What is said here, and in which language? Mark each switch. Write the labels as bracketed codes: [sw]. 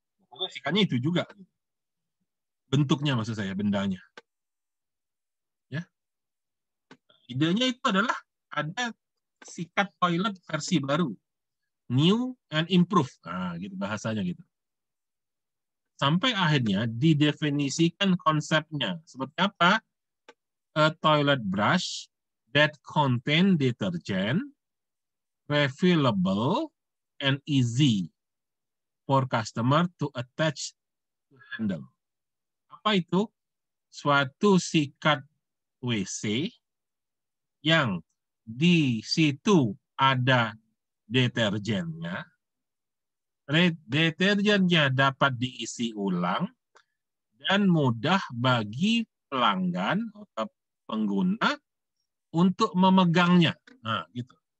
[id] Pokoknya sikatnya itu juga. Bentuknya maksud saya, bendanya. Ya. Idenya itu adalah ada sikat toilet versi baru. New and improved. Nah, gitu bahasanya gitu. Sampai akhirnya didefinisikan konsepnya. Seperti apa? [en] A toilet brush that contain detergent, refillable, and easy for customer to attach to handle. [id] Apa itu? Suatu sikat WC yang di situ ada deterjennya. Deterjennya dapat diisi ulang dan mudah bagi pelanggan atau pengguna untuk memegangnya. Nah, gitu.